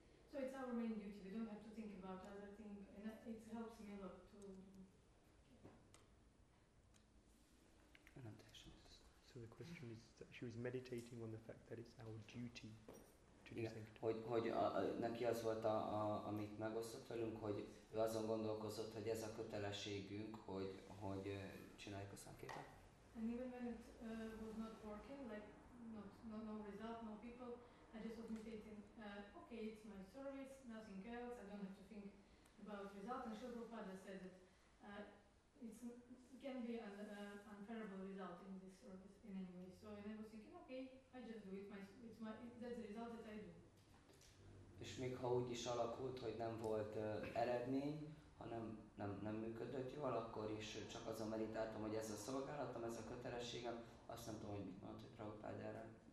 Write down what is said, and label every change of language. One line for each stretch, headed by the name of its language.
English: So it's our main duty, we don't have to think about other things, and it helps me a lot to do she was meditating on the fact that it's our duty to do sanctity.
Hungarian: Hogy neki az volt amit megosztott velünk, hogy ő azon gondolkozott, hogy ez a kötelességünk, hogy csináljuk a sanctity.
English: And even when it was not working, like no result, no people, I just was meditating, okay, it's my service, nothing else, I don't have to think about result. And Srila Prabhupada said that it can be an unfavorable result in this service in any way. So I was thinking, okay, I just do it, that's the result that I do.
Hungarian: És még ha úgy is alakult, hogy nem volt eredmény, hanem nem működött jól, akkor is csak azon meditáltam, hogy ez a szolgálatom, ez a kötelességem, azt nem tudom, hogy mit mondott, hogy Prabhupád erre.